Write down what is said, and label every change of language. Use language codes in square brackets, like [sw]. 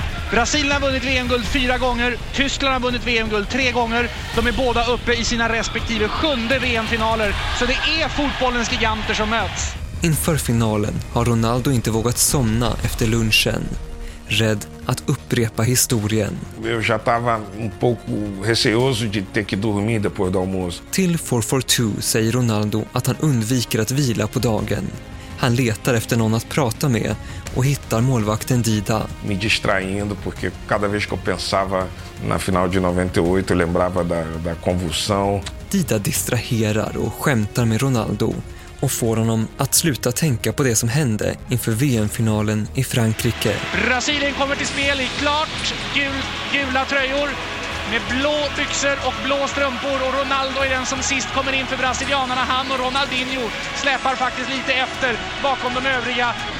[sv] Brasilien har vunnit VM-guld 4 gånger, Tyskland har vunnit VM-guld 3 gånger. De är båda uppe i sina respektive 7:e VM-finaler, så det är fotbollens giganter som möts. Inför finalen har Ronaldo inte vågat somna efter lunchen. Rädd att upprepa historien. [pt] Eu já tava pouco receoso de ter que dormir depois do almoço. [sv] Till 442 säger Ronaldo att han undviker att vila på dagen. Han letar efter någon att prata med och hittar målvakten Dida. [pt] Me distraindo porque cada vez que eu pensava na final de 98 lembrava da convulsão. [sv] Dida distraherar och skämtar med Ronaldo och får honom att sluta tänka på det som hände inför VM-finalen i Frankrike. Brasilien kommer till spel i klart gula tröjor med blå byxor och blå strumpor. Och Ronaldo är den som sist kommer in för brasilianerna. Han och Ronaldinho släpar faktiskt lite efter bakom de övriga.